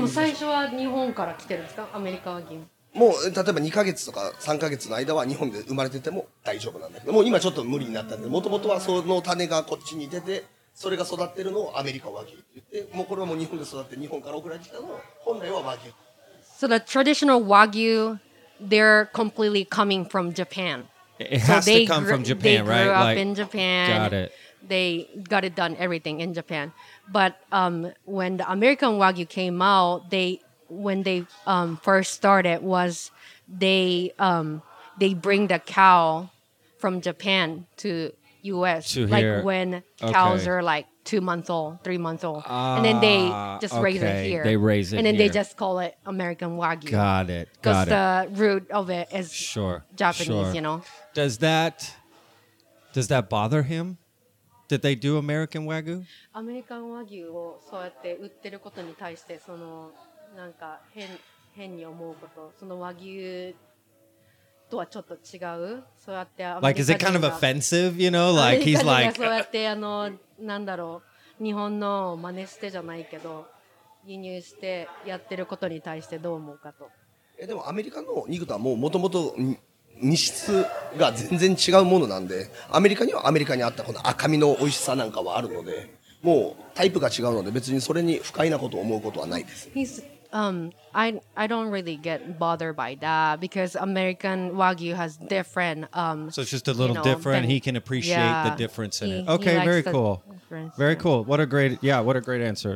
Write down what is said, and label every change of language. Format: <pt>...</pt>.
<ja>でも最初は日本から来てるんですか、アメリカ和牛。もう例えば2ヶ月とか3ヶ月の間は日本で生まれてても大丈夫なんだけど、もう今ちょっと無理になったんで、もともとはその種がこっちに出て、それが育ってるのをアメリカ和牛って言って、もうこれはもう日本で育って日本から送られてきたのを本来は和牛。</ja> <en>So the traditional Wagyu, they're completely coming from Japan. It has、so、to come from Japan, right? They grew up in Japan. Got it. They got it done everything in Japan. But when the American Wagyu came out, when they first started was they bring the cow from Japan to US to here. Like when cows are like 2 months old, 3 months old. And then they just raise it here. They raise it and then here. They just call it American Wagyu. Got it. Got it. Because the root of it is sure. Japanese, sure. You know. Does that bother him? Did they do American Wagyu?</en> <ja>American Wagyu をそうやって売ってることに対してそのなんか変に思うこと、その和牛とはちょっと違う、そうやってアメリカ人が</ja> <en>like is it kind of offensive, you know, like he's like</en> <ja>そうやってなんだろう、日本の真似してじゃないけど輸入してやってることに対してどう思うかと。え、でもアメリカの肉とはもう元々肉質が全然違うものなんで、アメリカにはアメリカにあったこの赤身の美味しさなんかはあるので、もうタイプが違うので別にそれに不快なことを思うことはないです。</ja> <en>I don't really get bothered by that because American Wagyu has different so it's just a little, you know, different then, he can appreciate the difference in it. Okay, very cool. Very cool. What a great, yeah, what a great answer.</en>